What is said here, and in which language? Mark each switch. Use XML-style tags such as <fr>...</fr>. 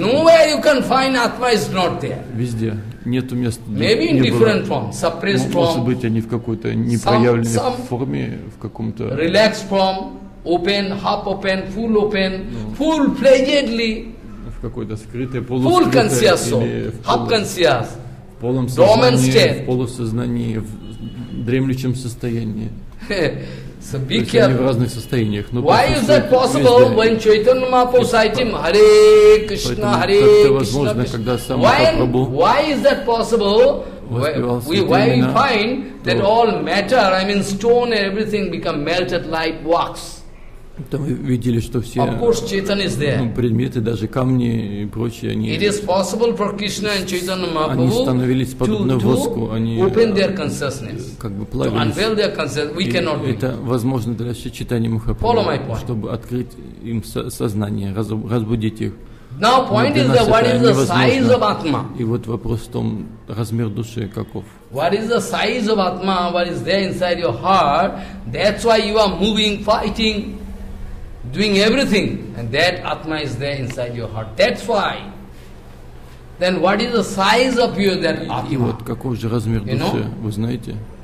<en>Nowhere you can find Atma is not there.</en> <ru>Везде. Нету места.</ru> <en>Maybe in different form, suppressed form.</en> <ru>Может быть, они в какой-то непроявленной форме, в каком-то.</ru> <en>Relaxed form, open, half open, full pledgedly.</en> <ru>В какой-то скрытой, полускрытой или в полном сознании, в полусознании, в дремлющем состоянии.</ru> <en>So be careful. Why is that possible when Chaitanya Mahaprabhu said him, Hare Krishna, Hare Krishna, Krishna. Why is that possible? Why we find that all matter, I mean stone and everything, become melted like wax?</en> <ru>Там вы видели, что все предметы, даже камни и прочие, они становились подобны воску, они как бы плавились. Это возможно для Чайтаньи Махапрабху, чтобы открыть им сознание, разбудить их.</ru> <en>Now point is that what is the size of Atma?</en> <ru>И вот вопрос в том, размер души каков?</ru> <en>What is the size of Atma? What is there inside your heart? That's why you are moving, fighting, doing everything, and that Atma is there inside your heart. That's why. Then what is the size of you, that Atma?</en> <ru>И вот какой же размер души, вы знаете?</ru>